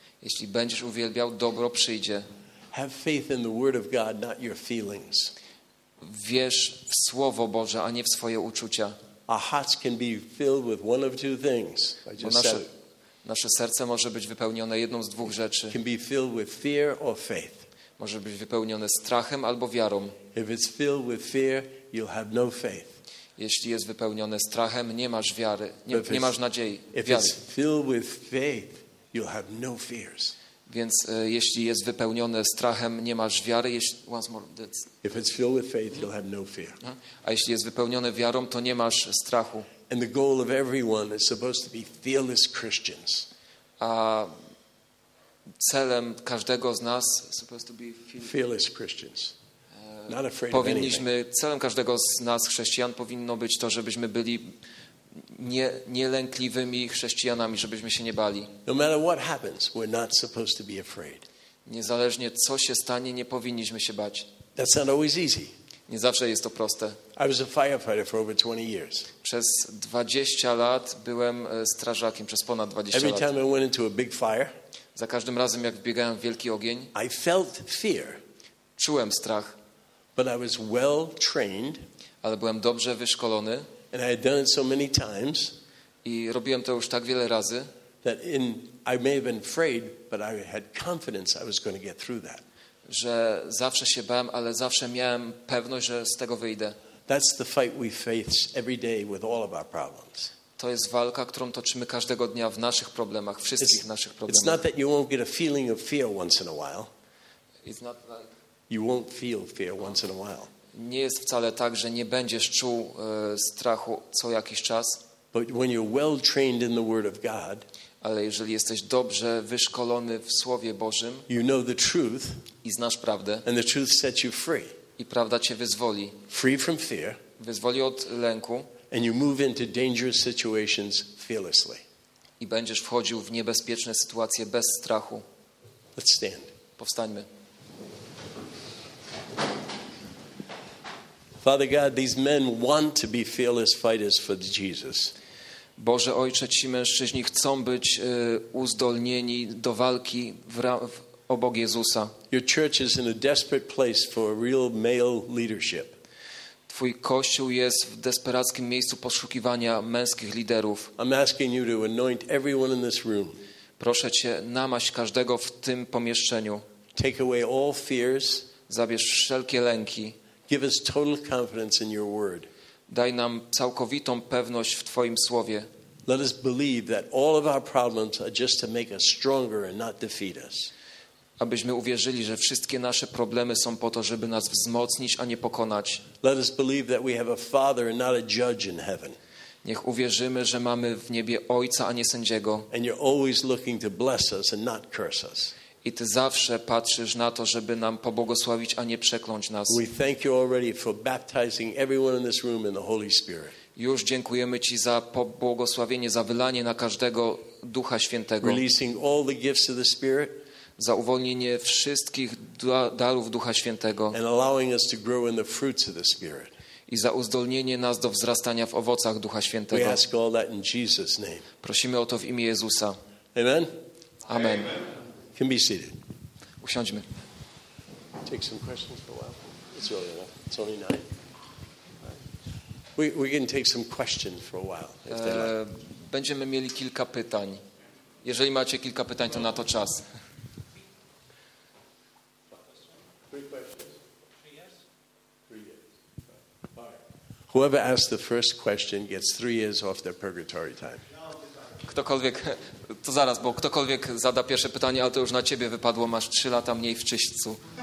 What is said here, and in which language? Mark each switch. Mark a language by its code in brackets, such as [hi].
[pl] Jeśli będziesz uwielbiał, dobro przyjdzie. [en] Have faith in the word of God, not your feelings. [pl] Wierz w Słowo Boże, a nie w swoje uczucia. [en] Our hearts can be filled with one of two things. I just [pl] nasze, [en] said. [pl] Nasze serce może być wypełnione jedną z dwóch rzeczy. [en] Can be filled with fear or faith. [pl] Może być wypełnione strachem albo wiarą. [en] If it's filled with fear, you'll have no faith. [pl] Jeśli jest wypełnione strachem, nie masz wiary, nie masz nadziei. [en] If it's filled with faith, you'll have no fears. [pl] Więc jeśli jest wypełnione strachem, nie masz wiary. [en] If it's filled with faith, you'll have no fear. [pl] A jeśli jest wypełnione wiarą, to nie masz strachu. [en] And the goal of everyone is supposed to be fearless Christians. [pl] A celem każdego z nas [en] supposed to be fearless Christians. [pl] Powinniśmy, celem każdego z nas chrześcijan powinno być to, żebyśmy byli nielękliwymi chrześcijanami, żebyśmy się nie bali. [en] No matter what happens, we're not supposed to be afraid. [pl] Niezależnie co się stanie, nie powinniśmy się bać. [en] That's not always easy. [pl] Nie zawsze jest to proste. [en] I was a firefighter for over 20 years. [pl] Przez 20 lat byłem strażakiem, przez ponad 20 [en] Every [pl] lat. [en] Every time I went into a big fire, [pl] za każdym razem jak wbiegałem w wielki ogień, [en] I felt fear. [pl] Czułem strach. [en] But I was well trained. [pl] Ale byłem dobrze wyszkolony. [en] And I had done it so many times. [pl] I robiłem to już tak wiele razy. [en] That in I may have been afraid, but I had confidence I was going to get through that. [pl] Że zawsze się bałem, ale zawsze miałem pewność, że z tego wyjdę. [en] That's the fight we face every day with all of our problems. [pl] To jest walka, którą toczymy każdego dnia w naszych problemach, wszystkich naszych problemach. [en] It's not that you won't get a feeling of fear once in a while. You won't feel fear once in a while. [pl] Nie jest wcale tak, że nie będziesz czuł strachu co jakiś czas. [en] But when you're well trained in the word of God, [pl] ale jeżeli jesteś dobrze wyszkolony w Słowie Bożym, [en] you know the truth, [pl] i znasz prawdę, [en] and the truth sets you free. [pl] I prawda cię wyzwoli. [en] Free from fear, [pl] wyzwoli od lęku, [en] and you move into dangerous situations fearlessly. [pl] I będziesz wchodził w niebezpieczne sytuacje bez strachu. [en] Let's stand. [pl] Powstańmy. [en] Father God, these men want to be fearless fighters for Jesus. [pl] Boże Ojcze, ci mężczyźni chcą być uzdolnieni do walki obok Jezusa. [en] Your church is in a desperate place for a real male leadership. [pl] Twój kościół jest w desperackim miejscu poszukiwania męskich liderów. [en] I'm asking you to anoint everyone in this room. [pl] Proszę cię, namaść każdego w tym pomieszczeniu. [en] Take away all fears. [pl] Zabierz wszelkie lęki. [en] Give us total confidence in your word. [pl] Daj nam całkowitą pewność w Twoim słowie. [en] Let us believe that all of our problems are just to make us stronger and not defeat us. [pl] Abyśmy uwierzyli, że wszystkie nasze problemy są po to, żeby nas wzmocnić, a nie pokonać. [en] Let us believe that we have a father and not a judge in heaven. [pl] Niech uwierzymy, że mamy w niebie ojca, a nie sędziego. [en] And you're always looking to bless us and not curse us. [pl] I Ty zawsze patrzysz na to, żeby nam pobłogosławić, a nie przekląć nas. [en] We thank you already for baptizing everyone in this room in the Holy Spirit. [pl] Już dziękujemy Ci za pobłogosławienie, za wylanie na każdego Ducha Świętego. [en] Releasing all the gifts of the Spirit. [pl] Za uwolnienie wszystkich darów Ducha Świętego. [en] And allowing us to grow in the fruits of the Spirit. [pl] I za uzdolnienie nas do wzrastania w owocach Ducha Świętego. [en] We ask all that in Jesus' name. [pl] Prosimy o to w imię Jezusa. [en] Amen. [pl] Amen. Amen. [en] Can be seated. [pl] Usiądźmy. [en] Take some questions for a while. It's early enough. It's only 9. We can take some questions for a while. [pl] Będziemy mieli kilka pytań. Jeżeli macie kilka pytań, to na to czas. [en] Three questions. Three years. Three years. All right. Whoever asks the first question gets 3 years off their purgatory time. [pl] Ktokolwiek, to zaraz, bo ktokolwiek zada pierwsze pytanie, ale to już na ciebie wypadło, masz 3 lata mniej w czyśćcu.